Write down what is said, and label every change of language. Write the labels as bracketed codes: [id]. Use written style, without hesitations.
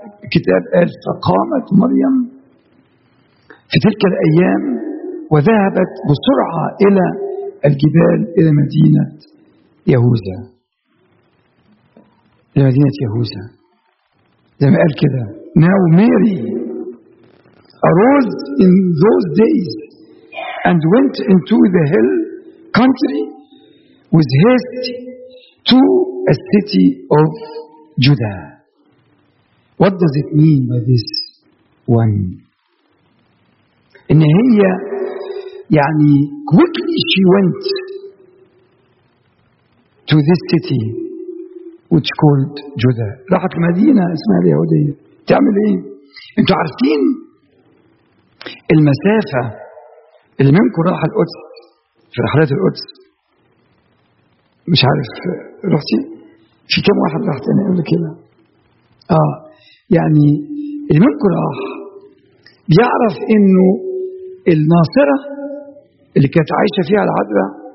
[ar] الكتاب قال فقامت مريم في تلك الأيام وذهبت بسرعة إلى الجبال إلى مدينة يهوذا، لمدينة يهوذا زي ما قال كده. [en] Now Mary arose in those days and went into the hill country with haste to a city of Judah. What does it mean by this one? [ar] إن هي يعني [en] quickly she went to this city which called Judah. [ar] راحت المدينة اسمها اليهودية. تعمل إيه؟ أنتوا عارفين المسافة اللي منكم راح القدس في رحلات القدس؟ مش عارف رحتي؟ في كم واحد راح تاني قبل كده؟ يعني اللي منكم راح بيعرف انه الناصرة اللي كانت عايشة فيها العذراء